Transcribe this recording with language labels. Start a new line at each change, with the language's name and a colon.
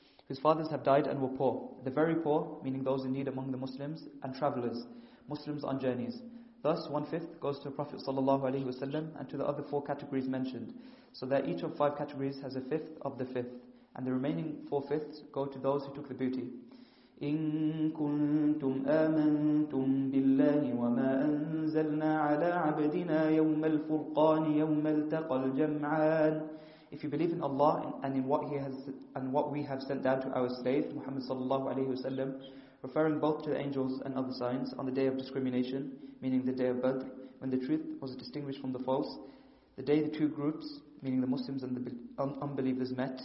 English: whose fathers have died and were poor, the very poor, meaning those in need among the Muslims, and travellers, Muslims on journeys. Thus, one-fifth goes to the Prophet ﷺ and to the other four categories mentioned, so that each of five categories has a fifth of the fifth, and the remaining four-fifths go to those who took the booty.
Arabic: إن كنتم آمنتم بالله وما أنزلنا على عبدنا يوم الفرقان يوم التقى الجمعان.
English: If you believe in Allah and in what He has and what we have sent down to our slave Muhammad sallallahu alaihi wasallam, referring both to the angels and other signs on the day of discrimination, meaning the day of Badr, when the truth was distinguished from the false, the day the two groups, meaning the Muslims and the unbelievers, met.